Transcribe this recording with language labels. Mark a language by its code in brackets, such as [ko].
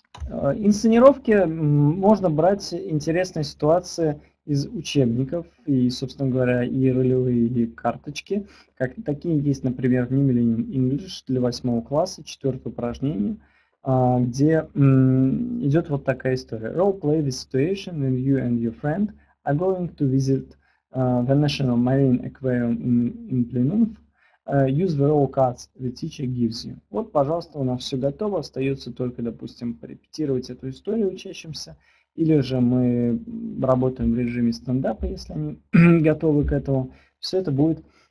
[ru] Инсценировки можно брать интересные ситуации из учебников и, собственно говоря, и ролевые карточки, как такие есть, например, в New Millennium English для 8 класса, 4 упражнение, где идет вот такая история. [en] Role play the situation when you and your friend are going to visit the National Marine Aquarium in Plymouth. Use the role cards the teacher gives you. [ru] Вот, пожалуйста, у нас все готово. Остается только, допустим, порепетировать эту историю учащимся. Или же мы работаем в режиме стендапа, если они готовы к этому. Все это будет...